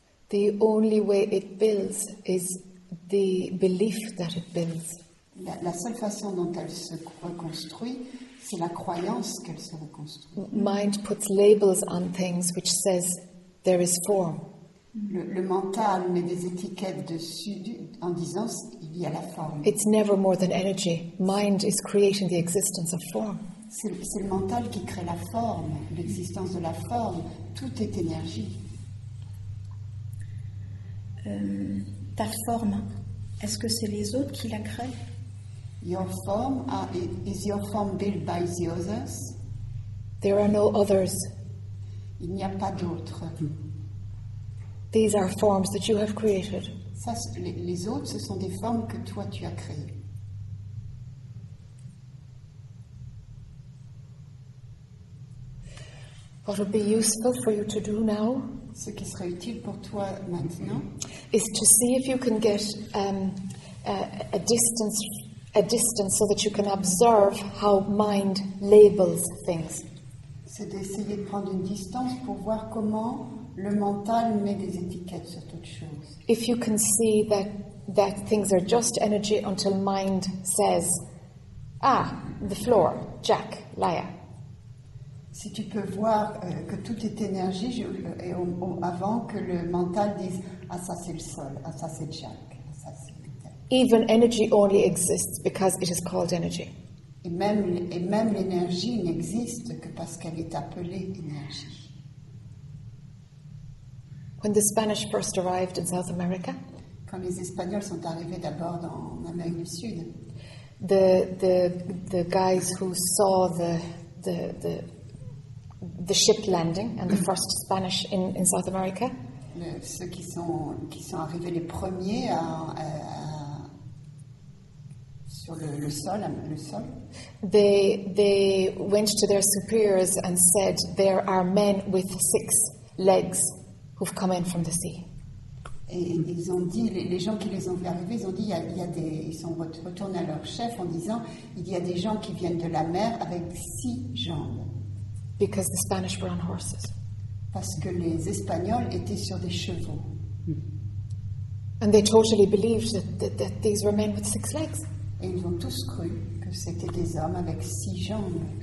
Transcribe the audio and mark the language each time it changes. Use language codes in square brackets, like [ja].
[en] The only way it builds is the belief that it builds. [fr] La seule façon dont elle se reconstruit, c'est la croyance qu'elle se reconstruit. [en] Mind puts labels on things which says there is form. [fr] Le mental met des étiquettes dessus en disant il y a la forme. [en] It's never more than energy. Mind is creating the existence of form. [fr] C'est le mental qui crée la forme, l'existence de la forme. Tout est énergie. Ta forme, est-ce que c'est les autres qui la créent? [en] Your form is your form built by the others? There are no others. [fr] Il n'y a pas d'autres. [en] These are forms that you have created. [fr] Les autres, ce sont des formes que toi tu as créées. [en] What would be useful for you to do now? [fr] Ce qui serait utile pour toi maintenant? [en] Is to see if you can get a distance so that you can observe how mind labels things. [fr] C'est d'essayer de prendre une distance pour voir comment le mental met des étiquettes sur toute chose. [en] If you can see that things are just energy until mind says, ah, the floor, Jack, Laya. [fr] Si tu peux voir que tout est énergie avant que le mental dise, ah, ça c'est le sol, ah, ça c'est Jack. [en] Even energy only exists because it is called energy. [fr] Et même l'énergie n'existe que parce qu'elle est appelée énergie. [en] When the Spanish first arrived in South America, [fr] quand les Espagnols sont arrivés d'abord en Amérique du Sud, [en] the guys who saw the ship landing and the first Spanish in South America, [fr] ceux qui sont arrivés les premiers à sur le sol. [en] They went to their superiors and said there are men with six legs who've come in from the sea. [fr] Et ils ont dit, les gens qui les ont vus arriver, ils ont dit ils sont retournés à leur chef en disant il y a des gens qui viennent de la mer avec six jambes. [en] Because the Spanish were on horses. [fr] Parce que les Espagnols étaient sur des chevaux. [en] And they totally believed that these were men with six legs. [fr] Et ils ont tous cru que c'était des hommes avec six jambes.